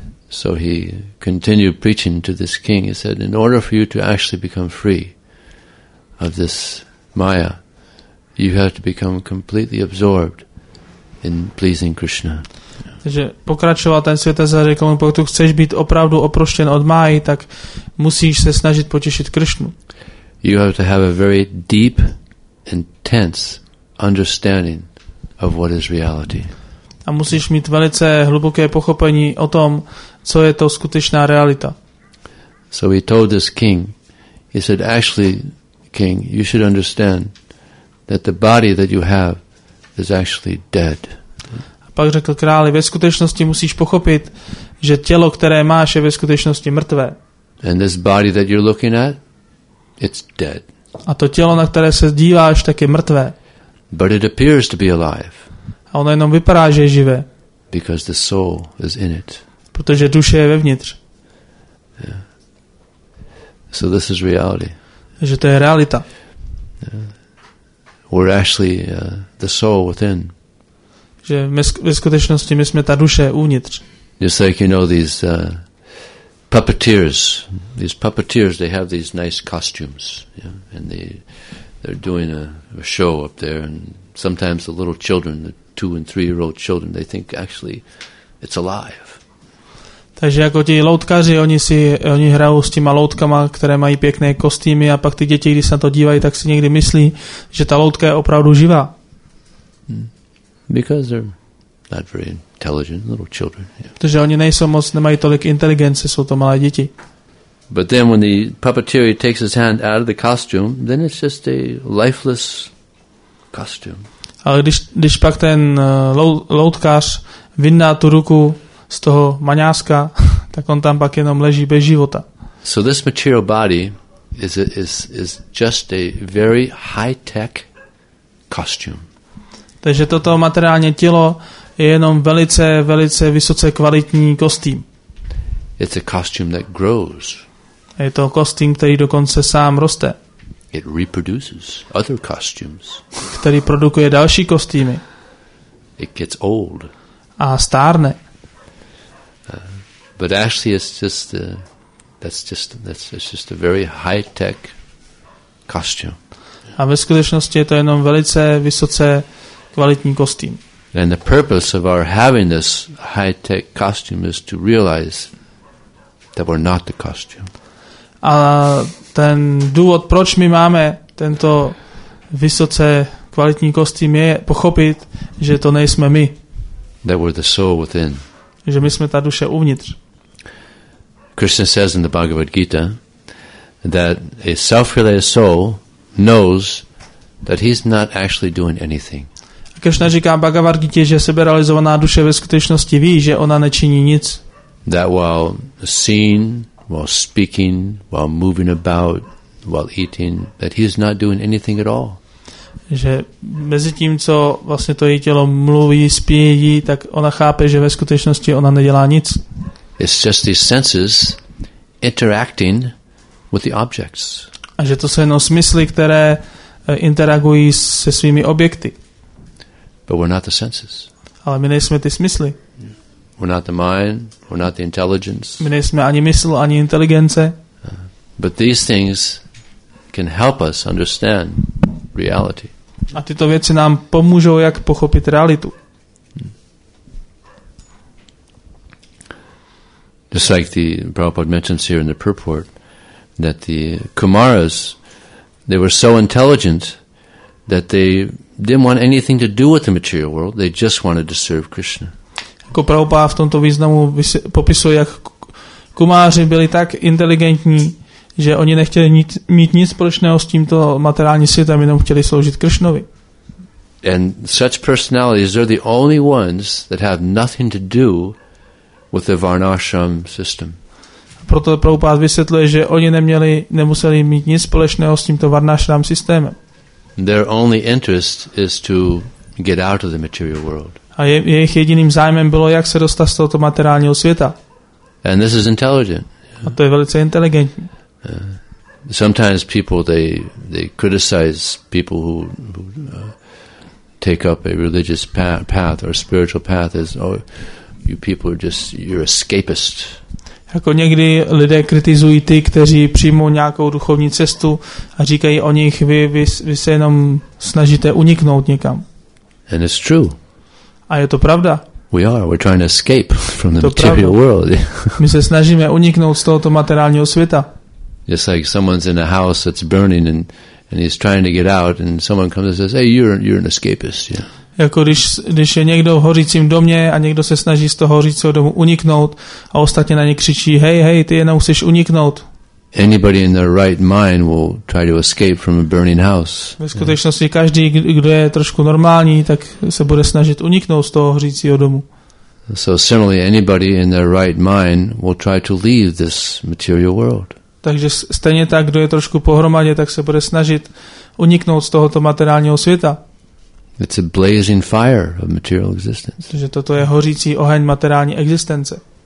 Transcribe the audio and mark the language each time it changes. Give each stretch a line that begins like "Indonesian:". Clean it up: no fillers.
English: So he continued preaching to this king. He said, in order for you to actually become free of this Maya, you have to become completely absorbed in pleasing Krishna.
Czech: Takže pokračoval ten světec a řekl mu, pokud chceš být opravdu oproštěn od Máji, tak musíš se snažit potěšit Krishnu.
English: You have to have a very deep, intense understanding of what is reality.
Czech: A musíš mít velice hluboké pochopení o tom, co je to skutečná realita.
English: So he told this king, he said, actually, king, you should understand that the body that you have is actually dead.
Czech: A pak řekl králi, ve skutečnosti musíš pochopit, že tělo, které máš, je ve skutečnosti mrtvé.
English: And this body that you're looking at, it's dead.
Czech: A to tělo, na které se díváš, tak je mrtvé.
English: But it appears to be alive.
Czech: A ono jenom vypadá, že je živé.
English: Because the soul is in it.
Czech: Protože duše je vevnitř.
English: Yeah. So this is reality.
Czech: Že to je realita.
English: Yeah. We're actually the soul within.
Czech: Že ve skutečnosti my jsme ta duše uvnitř.
English: Just like you know these puppeteers, they have these nice costumes, yeah? And they're doing a show up there, and sometimes the little children, the 2 and 3 year old children, they think actually it's alive.
Czech: Takže jako ti loutkaři, oni hrajou s těma loutkama, které mají pěkné kostýmy, a pak ty děti, když se na to dívají, tak si někdy myslí, že ta loutka je opravdu živá.
English: Because they're not very intelligent little children. Yeah.
Czech: Protože oni nejsou moc, nemají tolik inteligence, jsou to malé děti.
English: But then when the puppeteer takes his hand out of the costume, then it's just a lifeless costume.
Czech: Ale když pak ten loutkař vyndá tu ruku z toho maňáska, tak on tam pak jenom leží bez života.
English: So this material body is just a very high-tech costume.
Czech: Takže toto materiálně tělo je jenom velice, velice vysoce kvalitní kostým.
English: It's a costume that grows.
Czech: Je to kostým, který dokonce sám roste.
English: It reproduces other costumes.
Czech: Který produkuje další kostýmy.
English: It gets old.
Czech: A stárne.
English: But actually it's just that's just a very high-tech costume.
Czech: A ve skutečnosti je to jenom velice vysoce kvalitní kostým.
English: And the purpose of our having this high-tech costume is to realize that we're not the costume.
Czech: A ten důvod, proč my máme tento vysoce kvalitní kostým, je pochopit, že to nejsme my.
English: That we're the soul within.
Czech: Že my jsme ta duše uvnitř.
English: Krishna says in the Bhagavad Gita that a self-realized soul knows that he's not actually doing anything.
Czech: Krishna říká v Bhagavad Gita, že seberealizovaná duše ve skutečnosti ví, že ona nečiní nic.
English: That while seeing, while speaking, while moving about, while eating, that he is not doing anything at all.
Czech: Že mezi tím, co vlastně to její tělo mluví, spí, tak ona chápe, že ve skutečnosti ona nedělá nic.
English: It's just the senses interacting with the objects.
Czech: A že to jsou jenom smysly, které interagují se svými objekty.
English: But we're not the senses.
Czech: Ale my nejsme ty smysly.
English: We're not the mind, we're not the intelligence.
Czech: My nejsme ani mysl, ani inteligence.
English: But these things can help us understand reality.
Czech: A tyto věci nám pomůžou, jak pochopit realitu.
English: Just like the Prabhupada mentions here in the purport, that the Kumaras, they were so intelligent that they didn't want anything to do with the material world, they just wanted to serve Krishna.
Czech: Jako Prabhupada v tomto významu popisuje, jak Kumáři byli tak inteligentní, že oni nechtěli mít nic společného s tímto materiálním světem, jenom chtěli sloužit Kršnovi.
English: And such personalities are the only ones that have nothing to do with the Varnashram system.
Czech: Proto Prabhupada vysvětluje, že oni nemuseli mít nic společného s tímto Varnashram systémem.
English: Their only interest is to get out of the material world.
Czech: A jejich jediným zájmem bylo, jak se dostat z tohoto materiálního světa.
English: And this is intelligent.
Czech: A to je velice inteligentní.
English: Sometimes people they criticize people who take up a religious path or a spiritual path as, oh, you people are just, you're escapist.
Czech: Jako někdy lidé kritizují ty, kteří přijmou nějakou duchovní cestu a říkají o nich, vy se jenom snažíte uniknout někam.
English: And it's true.
Czech: A je to pravda.
English: We are, we're trying to escape from the material world.
Czech: My se snažíme uniknout z tohoto materiálního světa.
English: Just like someone's in a house that's burning and he's trying to get out and someone comes and says, hey, you're an escapist. Yeah.
Czech: Jako když je někdo v hořícím domě a někdo se snaží z toho hořícího domu uniknout a ostatně na ně křičí, hej, ty jenom chceš uniknout.
English: Anybody in their right mind will try to escape from a burning house.
Czech: Ve skutečnosti každý, kdo je trošku normální, tak se bude snažit uniknout z toho hořícího domu.
English: So similarly, anybody in their right mind will try to leave this material world.
Czech: Takže stejně tak, kdo je trošku pohromadě, tak se bude snažit uniknout z tohoto materiálního světa.
English: It's a blazing fire of material existence.
Czech: Takže toto je hořící oheň materiální existence.